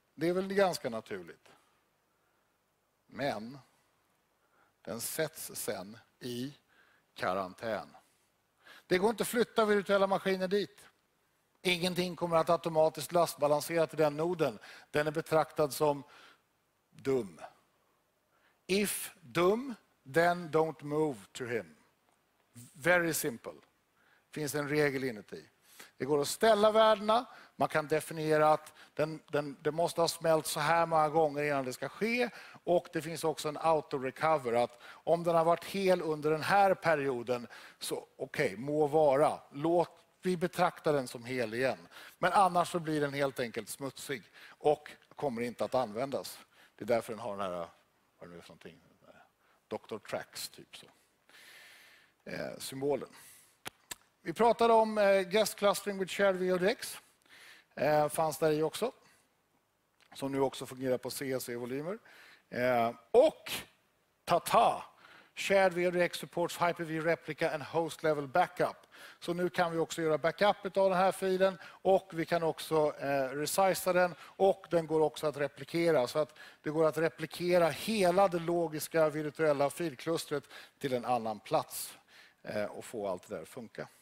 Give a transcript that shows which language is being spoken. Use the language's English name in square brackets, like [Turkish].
[Swedish] Det är väl ganska naturligt. Men den sätts sen i karantän. Det går inte att flytta virtuella maskiner dit. Ingenting kommer att automatiskt lastbalansera till den noden. Den är betraktad som dum. [English] If dum, then don't move to him. Very simple. [Swedish] Finns en regel inuti. Det går att ställa värdena. Man kan definiera att det måste ha smält så här många gånger innan det ska ske. Och det finns också en auto-recover, att om den har varit hel under den här perioden, så okej, må vara. Låt vi betrakta den som hel igen. Men annars så blir den helt enkelt smutsig och kommer inte att användas. Det är därför den har den här, vad är det för någonting? Dr. Tracks, typ så. Symbolen. Vi pratade om [English] guest clustering with shared VODX. [Swedish] Fanns där i också. Som nu också fungerar på CSE-volymer. [English] Och ta-ta, shared VODX supports Hyper-V replica and host level backup. [Swedish] Så nu kan vi också göra backup av den här filen, och vi kan också resizea den, och den går också att replikera. Så att det går att replikera hela det logiska virtuella filklustret till en annan plats och få allt det där att funka.